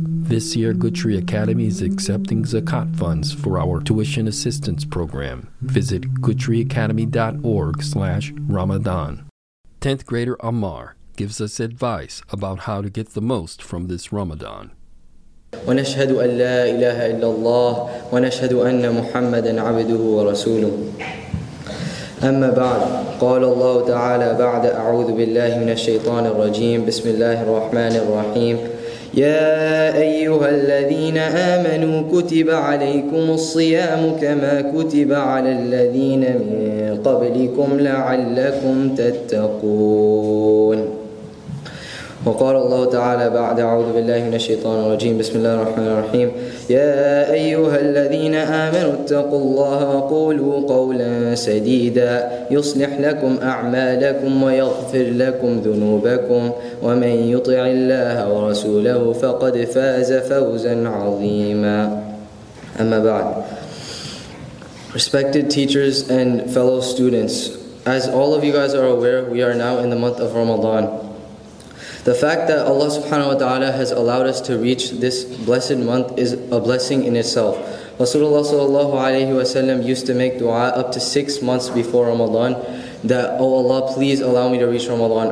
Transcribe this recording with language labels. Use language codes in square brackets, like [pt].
[en] This year, Good Tree Academy is accepting Zakat funds for our tuition assistance program. Visit goodtreeacademy.org/Ramadan. 10th grader Ammar gives us advice about how to get the most from this Ramadan. [ar] ونشهد أن لا إله إلا الله ونشهد أن محمدا عبده ورسوله. أما بعد قال الله تعالى بعد أعوذ بالله من الشيطان الرجيم بسم الله الرحمن الرحيم يا أيها الذين آمنوا كتب عليكم الصيام كما كتب على الذين من قبلكم لعلكم تتقون. وقال الله تعالى بعد أعوذ بالله من الشيطان الرجيم بسم الله الرحمن الرحيم يا أيها الذين آمنوا اتقوا الله وقولوا قولا سديدا يصلح لكم أعمالكم ويغفر لكم ذنوبكم ومن يطع الله ورسوله فقد فاز فوزا عظيما. أما بعد. [en] Respected teachers and fellow students, as all of you guys are aware, we are now in the month of Ramadan. The fact that Allah subhanahu wa ta'ala has allowed us to reach this blessed month is a blessing in itself. Rasulullah sallallahu alayhi wa sallam used to make dua up to 6 months before Ramadan that, oh Allah, please allow me to reach Ramadan.